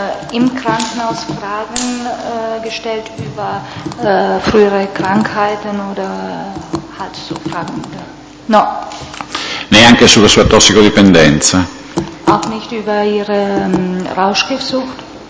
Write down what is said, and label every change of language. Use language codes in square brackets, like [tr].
[de] Im Krankenhaus Fragen gestellt über frühere Krankheiten oder halt so Fragen? [it] No. Neanche sulla sua tossicodipendenza? [de] Auch nicht über ihre Rauschgiftsucht?